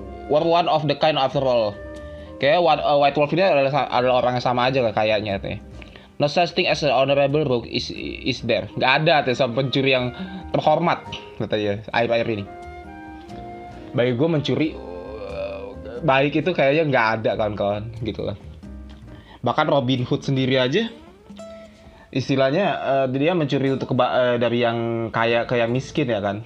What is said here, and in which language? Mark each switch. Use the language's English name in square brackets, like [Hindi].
[English] One of the kind after all. [Indonesian] Kayaknya White Wolf ini adalah orang yang sama aja kayaknya. [English] No such thing as an honorable rogue is there. [Indonesian] Gak ada sama pencuri yang terhormat katanya air-air ini. Bagi gue mencuri baik itu kayaknya gak ada kawan-kawan gitu kan. Bahkan Robin Hood sendiri aja istilahnya dia mencuri untuk dari yang kaya ke yang miskin ya kan.